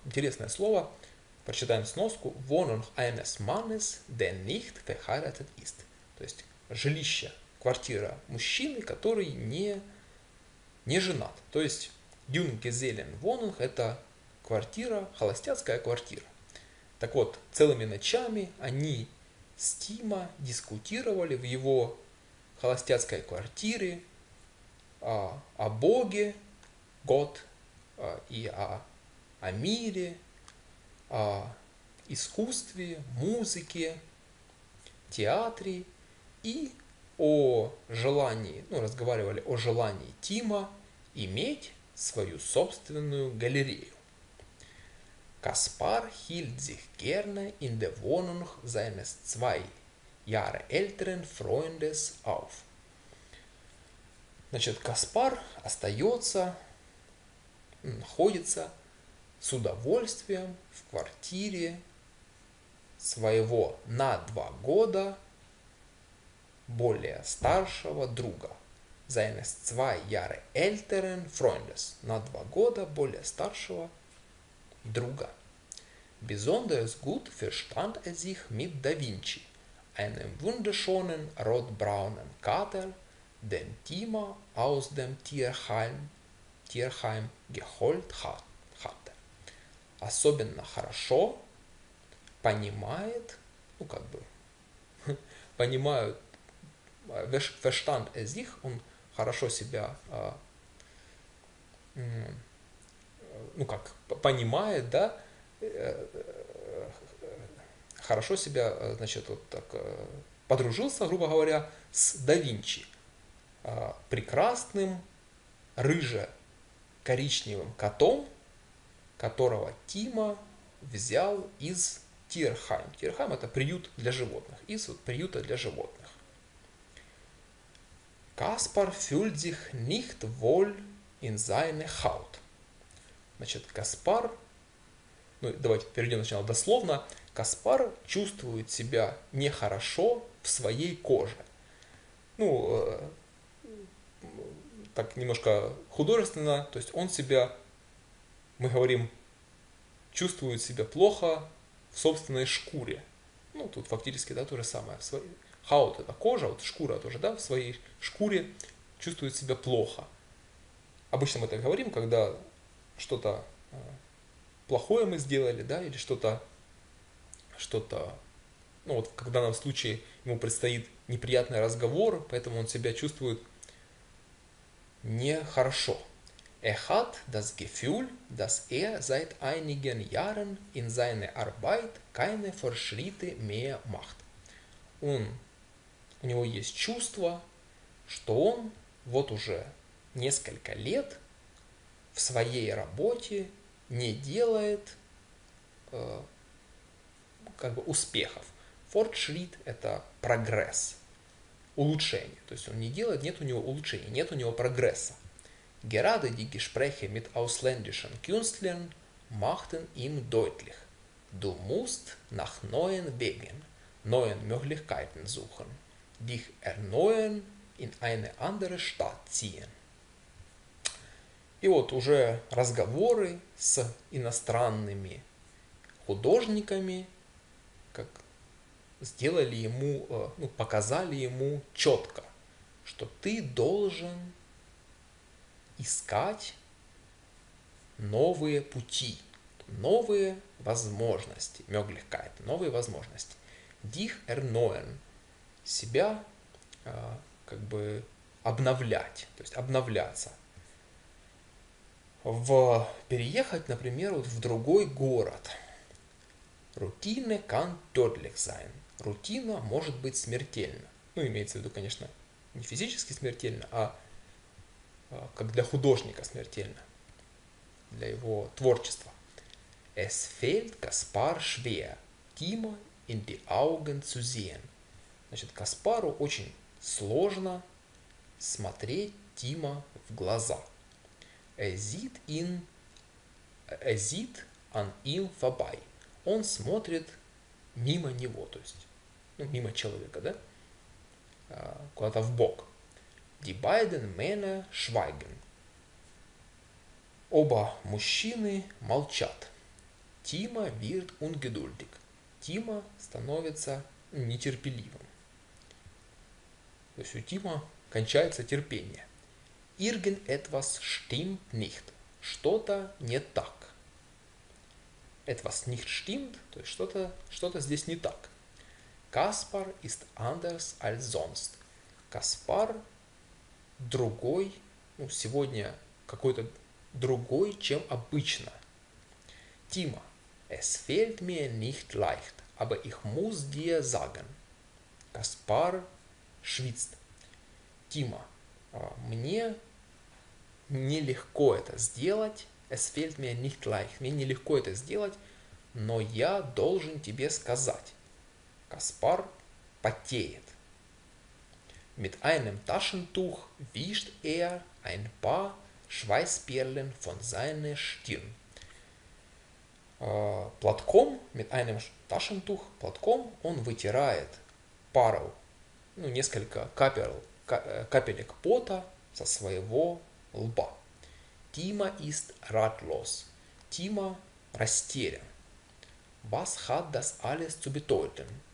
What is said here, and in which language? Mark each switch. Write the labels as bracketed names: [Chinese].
[Russian] Интересное слово. Прочитаем сноску. [German] Wohnung eines Mannes, der nicht verheiratet ist. [Russian] То есть жилище, квартира мужчины, который не женат. То есть Junggesellenwohnung – это квартира, холостяцкая квартира. Так вот, целыми ночами они с Тима дискутировали в его холостяцкой квартире о Боге, Год, и о мире, о искусстве, музыке, театре и о желании, ну, разговаривали о желании Тима иметь свою собственную галерею. [German] Kaspar hielt sich gerne in der Wohnung seines zwei Jahre älteren Freundes auf. [Russian] Значит, Kaspar остается, находится с удовольствием в квартире своего на два года более старшего друга. [German] Seines zwei Jahre älteren Freundes. [Russian] На два года более старшего друга. [German] Besonders gut verstand sich mit Da Vinci, einem wunderschönen rotbraunen Kater, den Timo aus dem Tierheim geholt hatte. [Russian] Особенно хорошо понимает, ну как бы, понимают, [German] verstand sich, [Russian] он хорошо себя, ну как, понимает, да, хорошо себя, значит, вот так подружился, грубо говоря, с Да Винчи, прекрасным рыже-коричневым котом, которого Тима взял из Тирхайм. Тирхайм – это приют для животных, из вот приюта для животных. [German] Kaspar fühlt sich nicht wohl in seine Haut. [Russian] Значит, Kaspar, ну, давайте перейдем сначала дословно. Kaspar чувствует себя нехорошо в своей коже. так немножко художественно, то есть он себя, мы говорим, чувствует себя плохо в собственной шкуре. Ну, тут фактически, да, то же самое. Хаот – это кожа, вот шкура тоже, да, в своей шкуре чувствует себя плохо. Обычно мы так говорим, когда что-то плохое мы сделали, да, или что-то, ну, вот когда в данном случае ему предстоит неприятный разговор, поэтому он себя чувствует нехорошо. [German] Er hat das Gefühl, dass er seit einigen Jahren in seiner Arbeit keine Fortschritte mehr macht. [Russian] У него есть чувство, что он вот уже несколько лет в своей работе не делает как бы успехов. Fortschritt – это прогресс, улучшение. То есть он не делает, нет у него улучшения, нет у него прогресса. [German] Gerade die Gespräche mit ausländischen Künstlern machten ihm deutlich, du musst nach neuen Wegen, neuen Möglichkeiten suchen, dich erneuern, in eine andere Stadt ziehen. [Russian] И вот уже разговоры с иностранными художниками как сделали ему, ну, показали ему четко, что ты должен искать новые пути, новые возможности, Möglichkeit, новые возможности. [German] Dich erneuern, [Russian] себя как бы обновлять, то есть обновляться. Переехать, например, вот в другой город. [German] Routine kann tödlich sein. [Russian] Рутина может быть смертельна. Ну, имеется в виду, конечно, не физически смертельна, а как для художника смертельно, для его творчества. [German] Es fällt Kaspar schwer, Timo in die Augen zu sehen. [Russian] Значит, Каспару очень сложно смотреть Тима в глаза. [German] Er sieht an ihm vorbei. [Russian] Он смотрит мимо него, то есть, ну, мимо человека, да? Куда-то в бок. [German] Die beiden Männer schweigen. [Russian] Оба мужчины молчат. [German] Тима wird ungeduldig. [Russian] Тима становится нетерпеливым. То есть у Тима кончается терпение. [German] Irgendetwas stimmt nicht. [Russian] Что-то не так. [German] Etwas nicht stimmt, [Russian] то есть что-то здесь не так. [German] Kaspar ist anders als sonst. [Russian] Kaspar другой, ну, сегодня какой-то другой, чем обычно. [German] Тима, es fällt mir nicht leicht, aber ich muss dir sagen. Kaspar schwitzt. [Russian] Тима, мне нелегко это сделать. [German] Es fällt mir nicht leicht. [Russian] Мне нелегко это сделать, но я должен тебе сказать. Kaspar потеет. [German] Mit einem Taschentuch wischt ein paar Schweißperlen von seiner Stirn. [Russian] Платком, [German] mit einem Taschentuch, [Russian] платком, он вытирает пару, ну, несколько капелек пота со своего лба. [German] Тима ist ratlos. [Russian] Тима растерян. [German] Was hat das alles zu bedeuten?